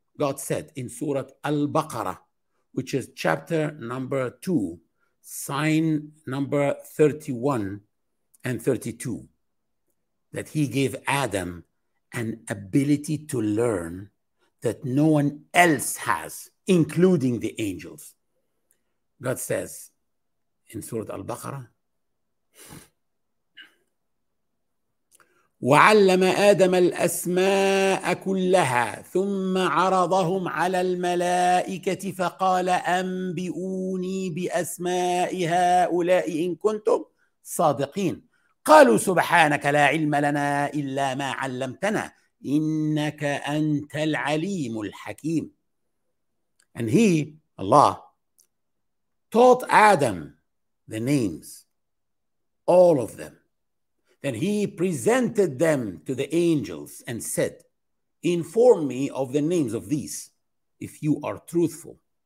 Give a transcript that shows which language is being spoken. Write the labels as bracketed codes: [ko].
[en] God said in Surah Al-Baqarah, which is chapter number 2, sign number 31 and 32, that he gave Adam an ability to learn that no one else has, including the angels. God says in Surah Al-Baqarah, [ar] وعلم آدم الأسماء كلها ثم عرضهم على الملائكة فقال أنبئوني بأسماء هؤلاء إن كنتم صادقين قالوا سبحانك لا علم لنا إلا ما علمتنا إنك أنت العليم الحكيم. [en] And he, Allah, taught Adam the names, all of them. Then he presented them to the angels and said, inform me of the names of these, if you are truthful.